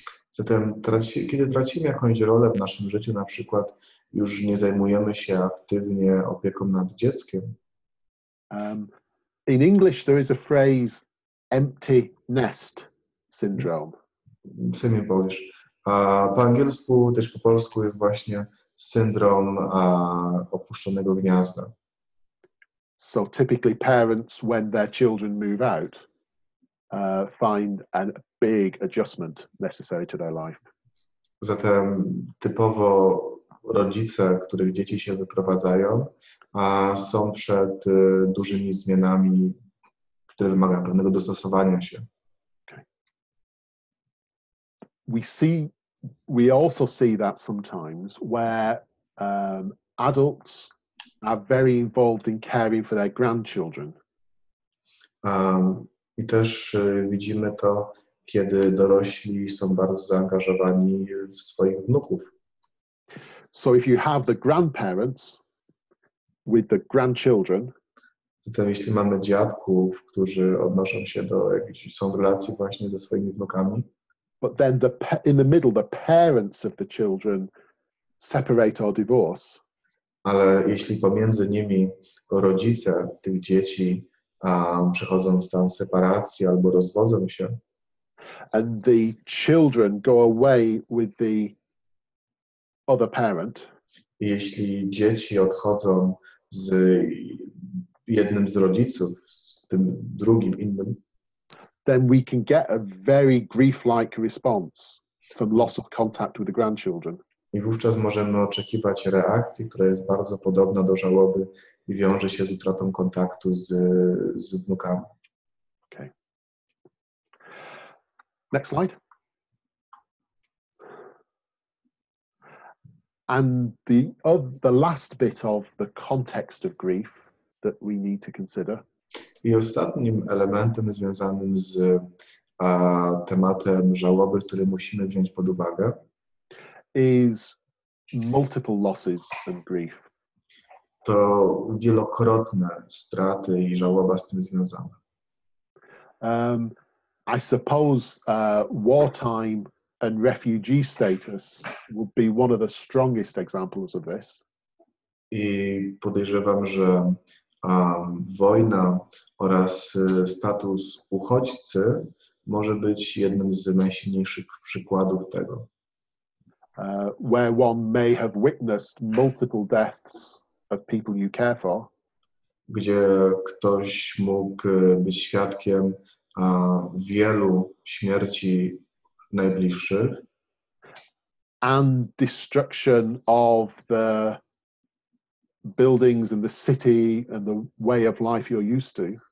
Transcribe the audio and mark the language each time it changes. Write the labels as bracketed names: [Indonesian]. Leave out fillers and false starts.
[Polish] Zatem kiedy tracimy jakąś rolę w naszym życiu, na przykład już nie zajmujemy się aktywnie opieką nad dzieckiem. [English] In English there is a phrase, empty nest syndrome. [Polish] Co mi powiesz? Po angielsku, też po polsku jest właśnie syndrom opuszczonego gniazda. [English] So typically parents, when their children move out, find a big adjustment necessary to their life. [Polish] Zatem typowo rodzice, których dzieci się wyprowadzają, są przed dużymi zmianami, które wymagają pewnego dostosowania się. [English] Okay. We also see that sometimes where adults are very involved in caring for their grandchildren. [Polish] I też widzimy to, kiedy dorośli są bardzo zaangażowani w swoich wnuków. [English] So if you have the grandparents with the grandchildren, [Polish] zatem jeśli mamy dziadków, którzy odnoszą się do jakichś, są w relacji właśnie ze swoimi wnukami, [English] but then in the middle, the parents of the children separate or divorce. [Polish] Ale jeśli pomiędzy nimi rodzice tych dzieci przechodzą w stan separacji albo rozwodzą się. [English] And the children go away with the other parent. [Polish] Jeśli dzieci odchodzą z jednym z rodziców, z tym drugim, innym, [English] then we can get a very grief-like response from loss of contact with the grandchildren. [Polish] I wówczas możemy oczekiwać reakcji, która jest bardzo podobna do żałoby i wiąże się z utratą kontaktu z wnukami. [English] Okay. Next slide. And the last bit of the context of grief that we need to consider. [Polish] I ostatnim elementem związanym z tematem żałoby, który musimy wziąć pod uwagę, [English] is multiple losses and grief. [Polish] To wielokrotne straty i żałoba z tym związane. [English] I suppose wartime and refugee status would be one of the strongest examples of this. [Polish] I podejrzewam, że wojna oraz status uchodźcy może być jednym z najsilniejszych przykładów tego. [English] Where one may have witnessed multiple deaths of people you care for. [Polish] Gdzie ktoś mógł być świadkiem wielu śmierci najbliższych. [English] And destruction of the buildings and the city and the way of life you're used to.